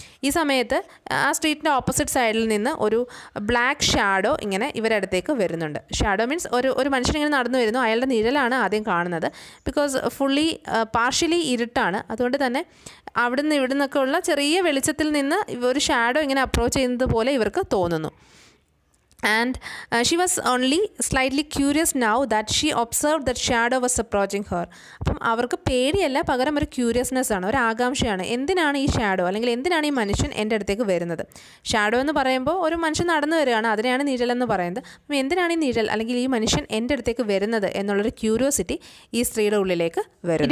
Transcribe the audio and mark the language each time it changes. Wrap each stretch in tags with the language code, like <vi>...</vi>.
<ml>ഈ സമയത്ത് ആ സ്ട്രീറ്റിൻ്റെ ഓപ്പോസിറ്റ് സൈഡിൽ നിന്ന് ഒരു ബ്ലാക്ക് ഷാഡോ ഇങ്ങനെ ഇവരുടെ അടുത്തേക്ക് വരുന്നുണ്ട്. ഷാഡോ മീൻസ് ഒരു മനുഷ്യനിങ്ങനെ നടന്നു വരുന്നു, അയാളുടെ നിഴലാണ് ആദ്യം കാണുന്നത്. ബിക്കോസ് ഫുള്ളി പാർഷ്യലി ഇരുട്ടാണ്, അതുകൊണ്ട് തന്നെ അവിടെ നിന്ന് ഇവിടെ നിന്നൊക്കെ ഉള്ള ചെറിയ വെളിച്ചത്തിൽ നിന്ന് ഒരു ഷാഡോ ഇങ്ങനെ അപ്രോച്ച് ചെയ്യുന്നത് പോലെ ഇവർക്ക് തോന്നുന്നു.</ml> <en>And she was only slightly curious now that she observed that shadow was approaching her.</en> <ml>അപ്പം അവർക്ക് പേടിയല്ല, പകരം ഒരു ക്യൂരിയസ്നെസ് ആണ്, ഒരു ആകാംക്ഷയാണ്. എന്തിനാണ് ഈ ഷാഡോ, അല്ലെങ്കിൽ എന്തിനാണ് ഈ മനുഷ്യൻ എൻ്റെ അടുത്തേക്ക് വരുന്നത്? ഷാഡോ എന്ന് പറയുമ്പോൾ ഒരു മനുഷ്യൻ നടന്നു വരികയാണ്, അതിനെയാണ് നിഴൽ എന്ന് പറയുന്നത്. അപ്പം എന്തിനാണ് ഈ നിഴൽ, അല്ലെങ്കിൽ ഈ മനുഷ്യൻ എൻ്റെ അടുത്തേക്ക് വരുന്നത് എന്നുള്ളൊരു ക്യൂരിയോസിറ്റി ഈ സ്ത്രീയുടെ ഉള്ളിലേക്ക് വരും.</ml>